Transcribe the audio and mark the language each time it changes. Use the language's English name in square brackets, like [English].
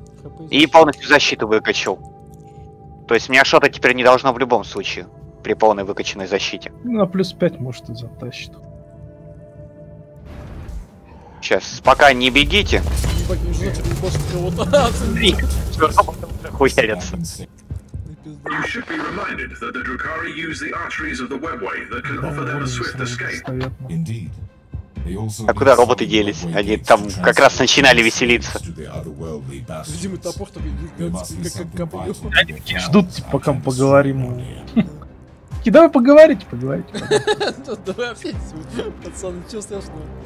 [Russian] ХП и полностью защиту выкачал. То есть у меня что-то теперь не должно в любом случае при полной выкачанной защите. На плюс 5 может и затащит. Сейчас, пока не бегите. Ебать, не жжёт, не боже, ты вот... Смотри, всё равно хуярится. [English] You should be reminded that the Drukhari use the arteries of the webway that can offer them a swift escape. Indeed. [Russian] А куда роботы делись? Они там как раз начинали веселиться. Видимо, топор там идёт, как копьё. Ждут, пока мы поговорим. Давай поговорить, поговорить. Давай опять, пацаны, чё страшного?